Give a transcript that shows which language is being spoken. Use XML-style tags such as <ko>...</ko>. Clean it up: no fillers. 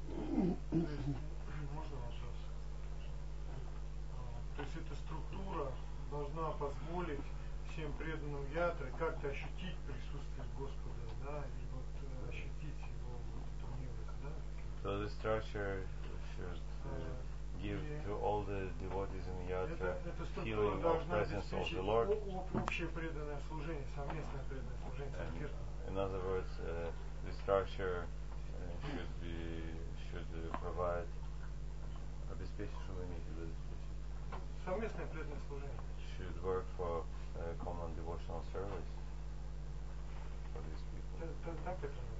<ru>Можно вопрос? То есть эта структура должна позволить всем преданным ятры как-то ощутить присутствие Господа, да, и вот ощутить его вот эту милость, да?</ru> <en>So the structure should give to all the devotees in yatra feeling of presence of the Lord.</en> <ru>Общее преданное служение, совместное преданное служение.</ru> <en>In other words, the structure should provide</en> <ru>обеспечение. Совместное преданное служение.</ru> <en>Should work for common devotional service for these people.</en>